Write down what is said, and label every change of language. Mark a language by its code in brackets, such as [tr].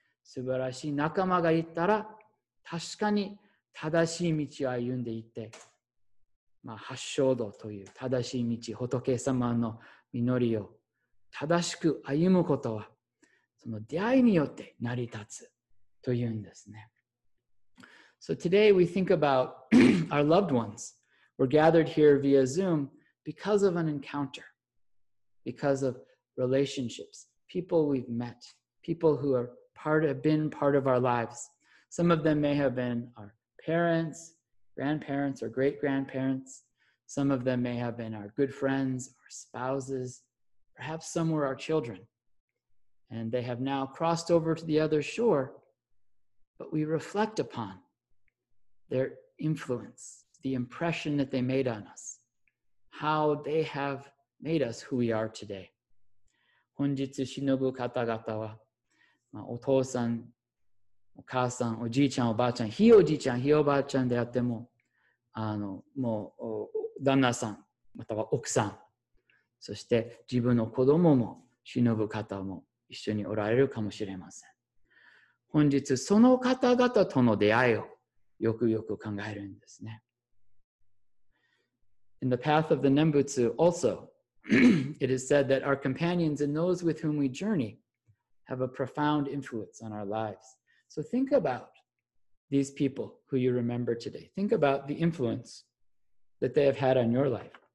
[ja] 素晴らしい仲間がいたら、確かに正しい道を歩んでいて、まあ、八正道という正しい道、仏様の実りを正しく歩むことは、その出会いによって成り立つというんですね。 [en] So today we think about our loved ones. We're gathered here via Zoom because of an encounter, because of relationships, people we've met, people who are been part of our lives. Some of them may have been our parents, grandparents, or great-grandparents. Some of them may have been our good friends, our spouses. Perhaps some were our children. And they have now crossed over to the other shore, but we reflect upon their influence, the impression that they made on us, how they have made us who we are today. [ja] 本日しのぶ方々は、まあ、お父さん、お母さん、おじいちゃん、おばあちゃん、ひいおじいちゃん、ひいおばあちゃんであっても、もう、旦那さん、または奥さん、そして自分の子供も、しのぶ方も一緒におられるかもしれません。本日、その方々との出会いをよくよく考えるんですね。 [en] In the path of the Nembutsu also, it is said that our companions and those with whom we journey have a profound influence on our lives. So think about these people who you remember today. Think about the influence that they have had on your life.